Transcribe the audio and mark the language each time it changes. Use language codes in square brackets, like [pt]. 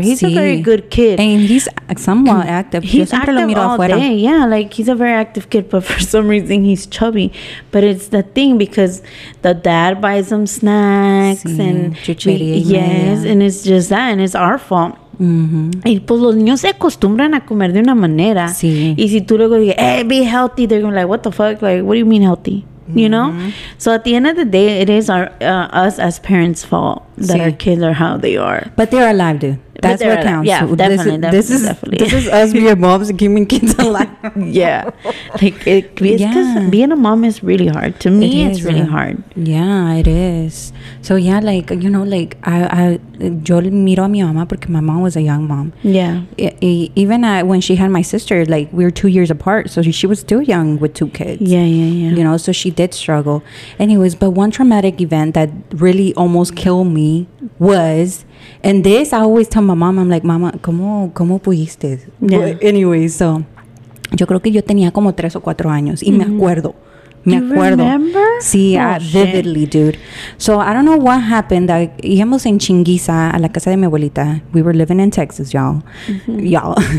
[en] He's a very good kid, and he's somewhat active. He's active [es] lo miro [en] all afuera. Day. Yeah, like he's a very active kid, but for some reason he's chubby. But it's the thing because the dad buys him snacks and and it's just that, and it's our fault. Mm-hmm. [es] Y pues los niños se acostumbran a comer de una manera. Sí. Y si tú luego dices, [en] hey, be healthy, they're gonna be like, what the fuck? Like, what do you mean healthy? Mm-hmm. You know? So at the end of the day, it is us as parents' fault that our kids are how they are. But they're alive, dude. That's what counts. Yeah, this is us being moms and keeping kids alive. Yeah. Like, because being a mom is really hard. To me, it's really hard. Yeah, it is. So, yeah, like, you know, like, [es] yo miro a mi mamá porque [en] my mom was a young mom. Yeah. When she had my sister, like, we were 2 years apart. So, she was still young with two kids. Yeah. You know, so she did struggle. Anyways, but one traumatic event that really almost killed me was... And this, I always tell my mom, I'm like, mama, [es] ¿cómo pudiste? [en] Yeah. Anyway, so, [es] yo creo que yo tenía como 3 or 4 años. Y mm-hmm. me acuerdo. [en] Remember? Sí, vividly, dude. So, I don't know what happened. [es] Íbamos en chinguiza a la casa de mi abuelita. [en] We were living in Texas, y'all. Mm-hmm. Y'all.